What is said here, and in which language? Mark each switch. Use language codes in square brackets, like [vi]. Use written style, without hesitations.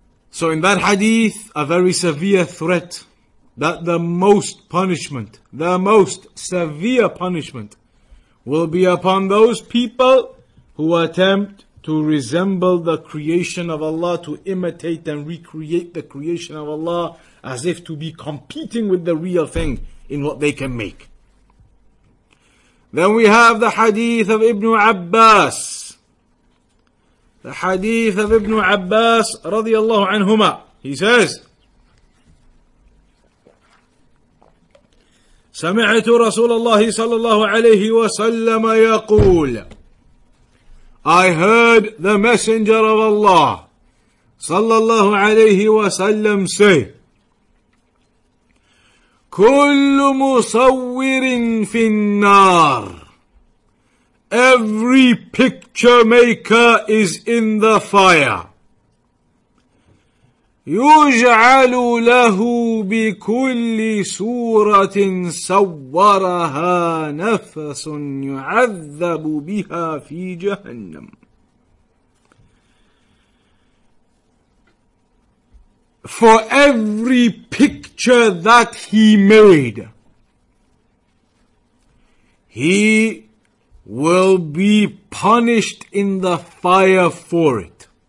[en] So in that hadith, a very severe threat that the most punishment, the most severe punishment, will be upon those people who attempt to resemble the creation of Allah, to imitate and recreate the creation of Allah, as if to be competing with the real thing in what they can make. Then we have the hadith of Ibn Abbas. The hadith of Ibn Abbas, radiallahu anhuma. He says, [ar] سمعت رسول الله صلى الله عليه وسلم يقول, [en] I heard the messenger of Allah, [ar] صلى الله عليه وسلم, [en] say, [ar] كل مصور في النار, [en] every picture maker is in the fire, [ar] يجعل له بكل سورة صورها نفس يعذب بها في جهنم. [en] For every picture that he made, he will be punished in the fire for it.